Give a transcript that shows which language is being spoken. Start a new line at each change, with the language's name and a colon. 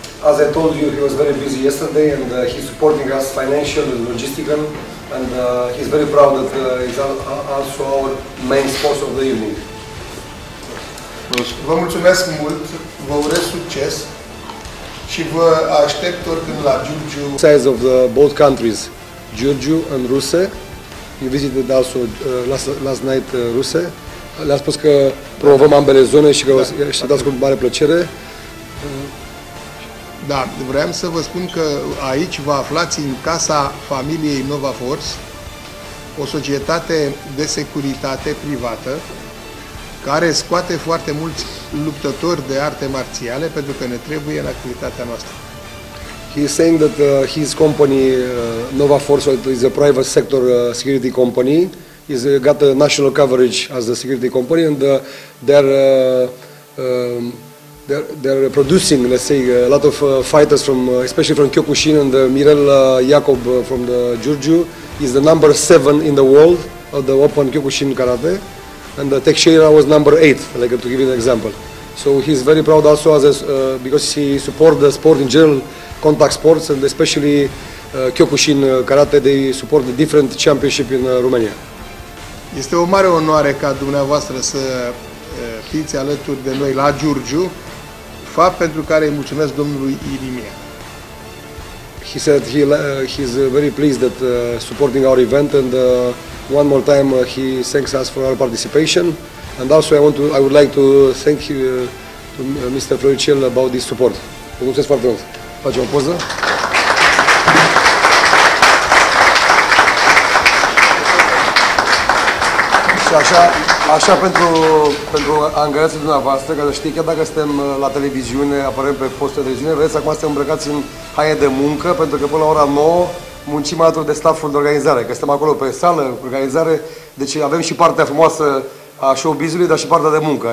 English: As I told you, he was very busy yesterday and he's supporting us financially and logistically and he's very proud that he's also our main sponsor of the evening.
Romanian: Vă mulțumesc mult, vă urez succes și vă aștept oricând la Giurgiu.
English: Size of the both countries, Giurgiu and Ruse. You visited also last night Ruse.
Romanian: Le-a spus că promovăm ambele zone și că vă dați cu mare plăcere. Da, vreau să vă spun că aici vă aflați în casa familiei Nova Force, o societate de securitate privată care scoate foarte mulți luptători de arte marțiale pentru că ne trebuie în activitatea noastră.
English: He is saying that his company Nova Force is a private sector security company. He's got a national coverage as a security company and they're producing, let's say, a lot of fighters from especially from Kyokushin and Mirel Jakob from the Giurgiu is the number 7 in the world of the open Kyokushin karate. And Teixeira was number 8, like to give you an example. So he's very proud also as a, because he supports the sport in general, contact sports, and especially Kyokushin karate, they support the different championship in Romania.
Romanian: Este o mare onoare ca dumneavoastră să fiți alături de noi la Giurgiu, fapt pentru care îi mulțumesc domnului Irimia.
English: He said he's very pleased that supporting our event and one more time he thanks us for our participation and also I would like to thank you to Mr. Floricel about this support.
Romanian: Vă mulțumesc foarte mult. Facem o poză. Și așa pentru angajații dumneavoastră, că știi că dacă suntem la televiziune, apărăm pe postul de televiziune, vedeți acum suntem îmbrăcați în haie de muncă, pentru că până la ora 9 muncim alături de stafful de organizare, că suntem acolo pe sală, organizare, deci avem și partea frumoasă a showbiz-ului, dar și partea de muncă.